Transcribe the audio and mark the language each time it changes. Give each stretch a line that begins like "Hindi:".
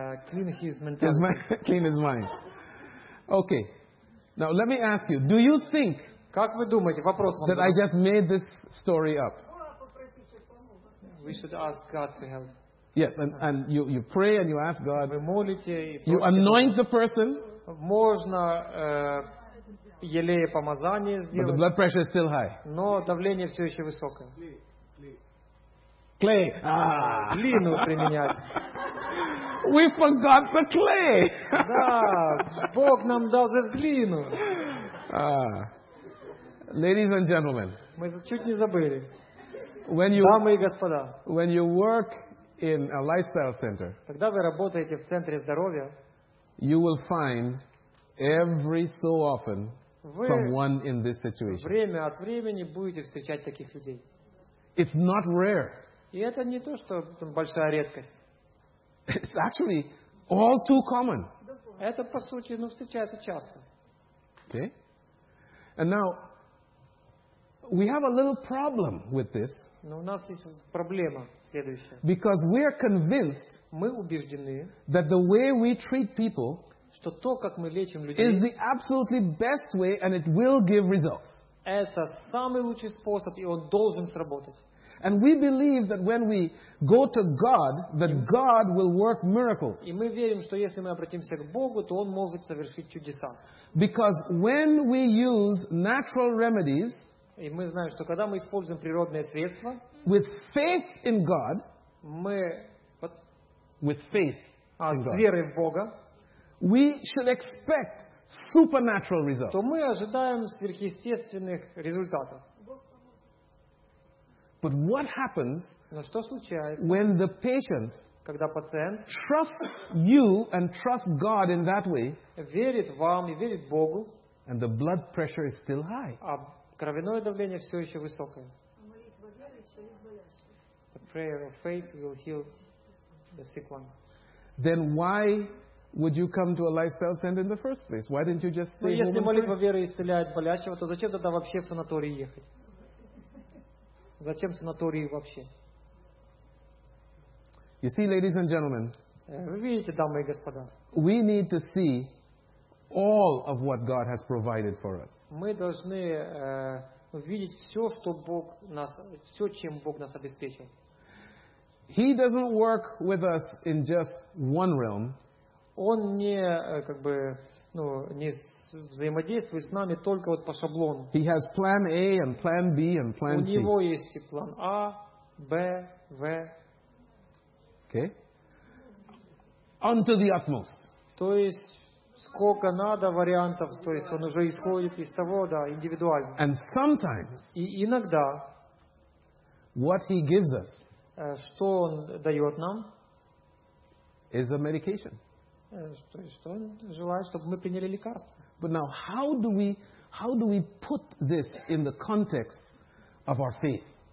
English: Clean his mentality. Clean his mind. Okay. Now let me ask you, do you think that I just made this story up? We should ask God to help. Yes, and you pray and you ask God.
Russian: Вы молите,
English: you anoint the person.
Russian: Можно елея помазание сделать.
English: But the blood pressure is still high.
Russian: Но давление все еще высокое.
English: Clay.
Russian: Глину применять.
English: We forgot the clay.
Russian: Да, Бог нам дал же глину.
English: Ladies and gentlemen.
Russian: Мы чуть не забыли.
English: When you,
Russian: дамы и господа.
English: When you work in a lifestyle center.
Russian: Когда вы работаете в центре здоровья.
English: You will find every so often someone in this situation.
Russian: Время от времени будете встречать таких людей.
English: It's not rare.
Russian: И это не то, что там большая редкость.
English: It's actually all too common.
Russian: Это по сути, ну, встречается часто.
English: Okay. And now we have a little problem with this.
Russian: Но у нас есть проблема следующая.
English: Because we are convinced.
Russian: Мы убеждены.
English: That the way we treat people.
Russian: Что то, как мы лечим людей.
English: Is the absolutely best way, and it will give results.
Russian: Это самый лучший способ, и он должен сработать.
English: And we believe that when we go to God, that God will work miracles.
Russian: И мы верим, что если мы обратимся к Богу, то Он может совершить чудеса.
English: Because when we use natural remedies,
Russian: и мы знаем, что когда мы используем природные средства,
English: with faith in God,
Russian: мы
English: with faith in God,
Russian: с верой в Бога,
English: we should expect supernatural results.
Russian: То мы ожидаем сверхъестественных результатов.
English: But what happens when the patient,
Russian: когда пациент,
English: trusts you and trusts God in that way,
Russian: верит вам и верит Богу,
English: and the blood pressure is still high?
Russian: А кровяное давление все еще высокое.
English: The prayer of faith will heal the sick one. Then why would you come to a lifestyle center in the first place? Why didn't you just stay home?
Russian: Ну, если молитва веры исцеляет болящего, то зачем тогда вообще в санаторий ехать? Зачем санатории вообще?
English: You see, ladies and gentlemen,
Russian: вы видите, дамы и господа,
English: we need to see all of what God has provided for us.
Russian: Мы должны видеть все, что Бог нас, все, чем Бог нас обеспечил.
English: He doesn't work with us in just one realm.
Russian: Он не как бы, ну, не взаимодействует с нами только вот по шаблону.
English: He has plan A and plan B and plan C.
Russian: У него есть и план А, Б, В.
English: Okay. Unto the utmost.
Russian: То есть сколько надо вариантов, то есть он уже исходит из того, да, индивидуально.
English: And sometimes.
Russian: И иногда.
English: What he gives us.
Russian: Что он дает нам?
English: Is a medication.
Russian: То есть что он желает, чтобы мы приняли лекарство.
English: But now, how do we put this in the context of our faith?